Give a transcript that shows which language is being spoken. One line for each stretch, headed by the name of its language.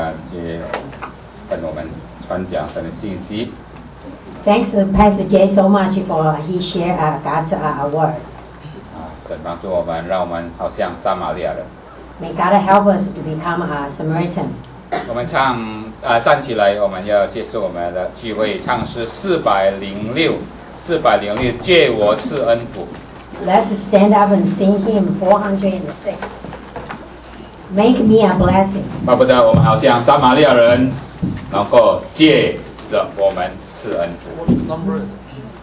Chinese: 杰跟我们传讲神的信息。
English: Thanks, Pastor Jay, so much for he shared God's word.
Chinese: 神帮助我们，让我们好像撒玛利亚人。
English: May God help us to become a Samaritan.
Chinese: 我们唱站起来，我们要结束我们的聚会，唱诗406，借我赐恩福。
English: Let's stand up and sing hymn 406. Make me a blessing.
Chinese: 巴不得我们好像撒玛利亚人，能够借着我们赐恩福。